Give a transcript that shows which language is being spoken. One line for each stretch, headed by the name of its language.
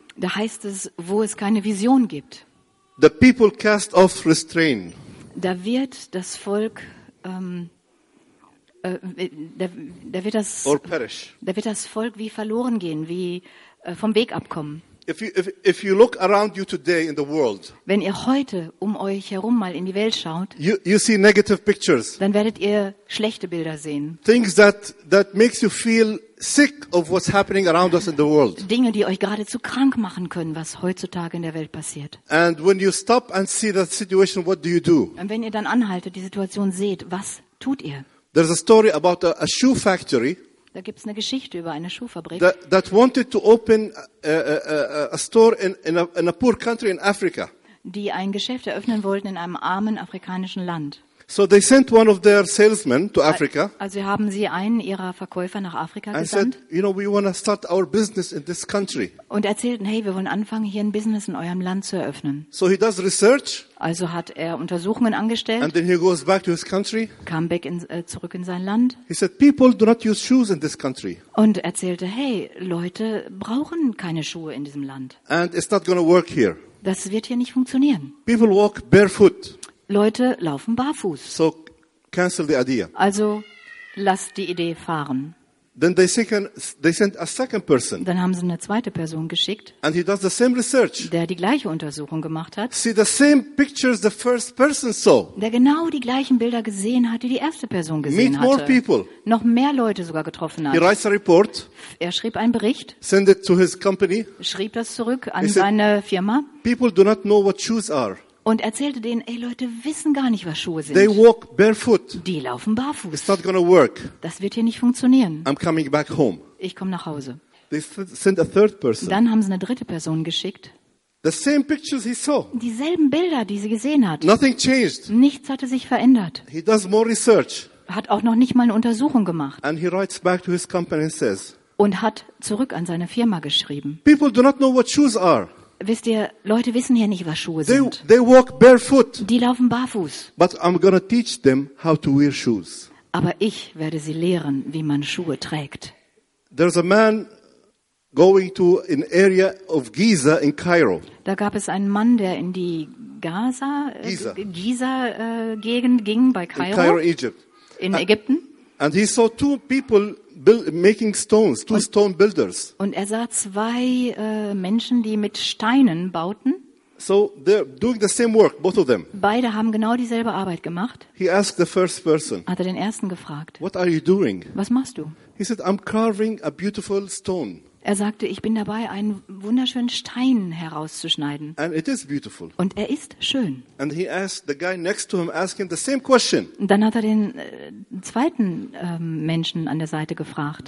German: Da heißt es, wo es keine Vision gibt.
English: The people cast off restraint.
German: Da wird das Volk da wird das Volk wie verloren gehen, wie vom Weg abkommen.
English: If you look around you today in the world,
German: wenn ihr heute um euch herum mal in die Welt schaut,
English: you see negative pictures,
German: dann werdet ihr schlechte Bilder sehen.
English: Things that makes you feel sick of what's happening around us in the world.
German: Dinge, die euch geradezu krank machen können, was heutzutage in der Welt passiert.
English: And when you stop and see that situation, what do you do?
German: Und wenn ihr dann anhaltet, die Situation seht, was tut ihr?
English: There's a story about a shoe factory.
German: Da gibt's eine Geschichte über eine Schuhfabrik.
English: That wanted to open a store in a poor country in Africa.
German: Die ein Geschäft eröffnen wollten in einem armen afrikanischen Land.
English: So they sent one of their salesmen to Africa.
German: Also haben sie einen ihrer Verkäufer nach Afrika gesandt.
English: And said, you know, we want to start our business in this country.
German: Und erzählten, hey, wir wollen anfangen, hier ein Business in eurem Land zu eröffnen.
English: So he does research.
German: Also hat er Untersuchungen angestellt.
English: And then he goes back to his country. Came back
German: zurück in sein Land.
English: He said, people do not use shoes in this country.
German: Und erzählte, hey, Leute brauchen keine Schuhe in diesem Land.
English: And it's not going to work here.
German: Das wird hier nicht funktionieren.
English: People walk barefoot.
German: Leute laufen barfuß.
English: So cancel the idea.
German: Also lasst die Idee fahren.
English: Then they sent a second person.
German: Dann haben sie eine zweite Person geschickt.
English: And he does the same research.
German: Der die gleiche Untersuchung gemacht hat.
English: See the same pictures the first person saw.
German: Der genau die gleichen Bilder gesehen hat, die erste Person gesehen
English: meet
German: hatte.
English: More people.
German: Noch mehr Leute sogar getroffen hat.
English: He writes a report.
German: Er schrieb einen Bericht.
English: Send it to his company.
German: Schrieb das zurück an seine Firma.
English: People do not know what shoes are.
German: und erzählte denen, ey Leute, wissen gar nicht, was Schuhe sind.
English: They walk barefoot.
German: Die laufen barfuß.
English: It's not gonna work.
German: Das wird hier nicht funktionieren.
English: I'm coming back home.
German: Ich komme nach Hause.
English: They sent a third person.
German: Dann haben sie eine dritte Person geschickt.
English: The same pictures he saw.
German: Dieselben Bilder, die sie gesehen hat.
English: Nothing changed.
German: Nichts hatte sich verändert.
English: He does more research.
German: Hat auch noch nicht mal eine Untersuchung gemacht.
English: And he writes back to his company and says,
German: und hat zurück an seine Firma geschrieben.
English: People do not know what shoes are.
German: Wisst ihr, Leute wissen hier nicht, was Schuhe sind.
English: They walk barefoot.
German: Die laufen barfuß.
English: But I'm gonna teach them how to wear shoes.
German: Aber ich werde sie lehren, wie man Schuhe trägt.
English: There's a man going to an area of Giza in Cairo.
German: Da gab es einen Mann, der in die Giza Gegend ging bei Kairo.
English: In Cairo, Egypt.
German: In Ägypten.
English: And he saw two people making stones, two stone builders.
German: Und er sah zwei Menschen, die mit Steinen bauten.
English: So they're doing the same work, both of them.
German: Beide haben genau dieselbe Arbeit gemacht.
English: He asked the first person.
German: Hat er den ersten gefragt.
English: What are you doing?
German: Was machst du?
English: He said, I'm carving a beautiful stone.
German: Er sagte, ich bin dabei, einen wunderschönen Stein herauszuschneiden.
English: And it is beautiful.
German: Und er ist schön.
English: And he asked the guy next to him, asking the same question.
German: Dann hat er den zweiten Menschen an der Seite gefragt.